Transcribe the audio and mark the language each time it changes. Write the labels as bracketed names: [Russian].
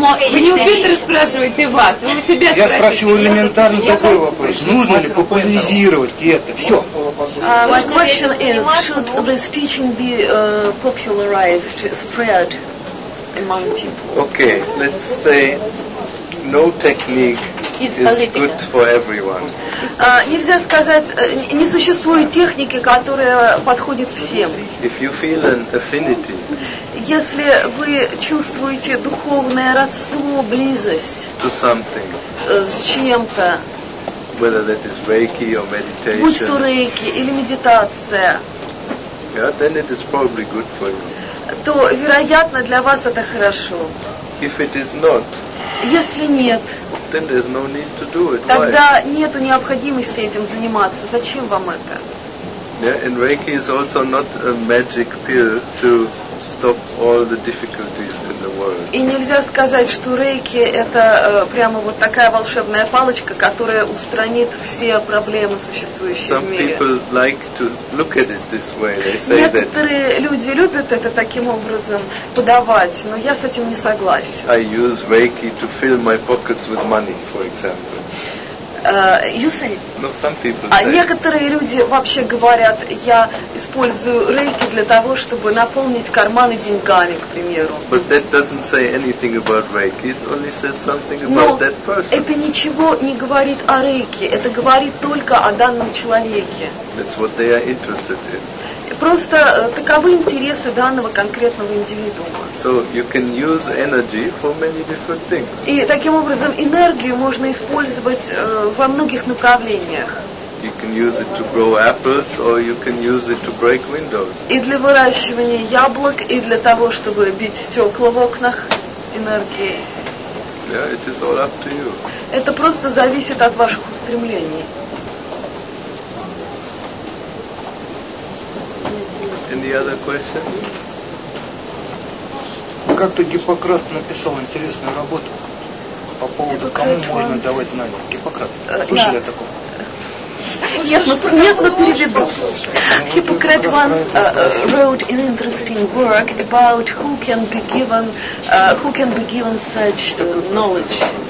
[Russian] Вы не у Петра спрашиваете вас, вы у себя спрашиваете. Я спросил элементарно такой вопрос. Нужно ли популяризировать это? Все. [English] My question is, should this teaching be popularized, spread among people? Okay, let's say no technique. It's good for everyone. [Russian] Нельзя сказать, не существует техники, которая подходит всем. [English] If you feel an affinity, [Russian] если вы чувствуете духовное родство, близость [English] to something, [Russian] с чем-то, [English] whether that is reiki or meditation, [Russian] будь то рейки или медитация, [English] yeah, then it is probably good for you. [Russian] То, вероятно, для вас это хорошо. [English] If it is not, [Russian] если нет, [English] then there's no need to do it. [Russian] Тогда нету необходимости этим заниматься. Зачем вам это? [English] Yeah, and reiki is also not a magic pill to stop all the difficulties in the world. [Russian] И нельзя сказать, что рейки это прямо вот такая волшебная палочка, которая устранит все проблемы, существующие [English] Some [Russian] в мире. [English] Some people like to look at it this way. They say [Russian] Некоторые [English] that. [Russian] Некоторые люди любят это таким образом подавать, но я с этим не согласен. [English] I use reiki to fill my pockets with money, for example. [Russian] Некоторые люди вообще говорят, я использую рейки для того, чтобы наполнить карманы деньгами, к примеру. [English] But that doesn't say anything about reiki. It only says something about that person. [Russian] Это ничего не говорит о рейке. Это говорит только о данном человеке. [English] That's what they are interested in. [Russian] Просто таковы интересы данного конкретного индивидуума. [English] So you can use energy for many different things. [Russian] И таким образом энергию можно использовать во многих направлениях. [English] You can use it to grow apples, or you can use it to break windows. [Russian] И для выращивания яблок, и для того, чтобы бить стекла в окнах энергией. [English] Yeah, it is all up to you. [Russian] Это просто зависит от ваших устремлений. [English] Any other question? [Russian] Как-то Гиппократ написал интересную работу по поводу, кому можно давать знания. Гиппократ, слышали о таком? Нет, но переведу. [English] Hippocrates once wrote an interesting work about who can be given such knowledge.